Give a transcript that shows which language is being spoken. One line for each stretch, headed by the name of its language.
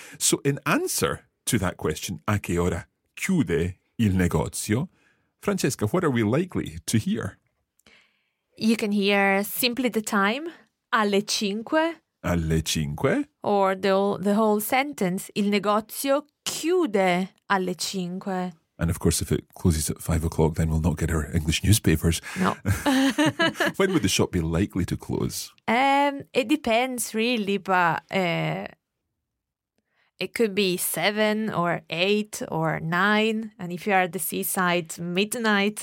English: So in answer to that question,
Italian: a che ora chiude il negozio?
English: Francesca, what are we likely to hear? You can hear simply the time.
Italian: Alle cinque. Alle cinque.
English: Or the whole sentence.
Italian: Il negozio chiude alle cinque.
English: And of course, if it closes at 5 o'clock, then we'll not get our English newspapers. No. When would the shop be likely to close? It depends, really, but it could be 7 or 8 or 9. And if you are at the seaside, midnight.